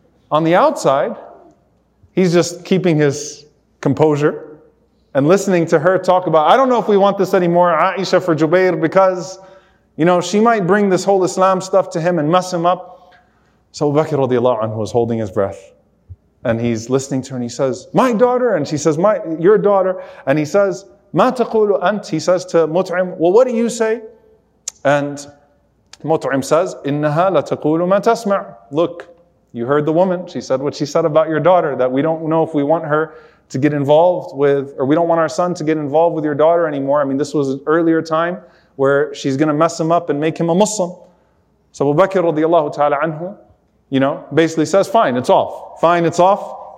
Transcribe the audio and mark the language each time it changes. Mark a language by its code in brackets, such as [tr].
[en] On the outside, he's just keeping his composure and listening to her talk about, I don't know if we want this anymore, Aisha for Jubair, because, you know, she might bring this whole Islam stuff to him and mess him up. So Abu Bakr radiallahu anhu is holding his breath, and he's listening to her, and he says, my daughter, and she says, your daughter, and he says, [ar] ما تقول أنت, [en] he says to Mut'im, well, what do you say? And Mut'im says, [ar] إِنَّهَا لَتَقُولُ مَا تَسْمَعُ. [en] Look, you heard the woman. She said what she said about your daughter, that we don't know if we want her to get involved with, or we don't want our son to get involved with your daughter anymore. I mean, this was an earlier time where she's going to mess him up and make him a Muslim. So Abu Bakr radiallahu ta'ala anhu, you know, basically says, fine, it's off. Fine, it's off.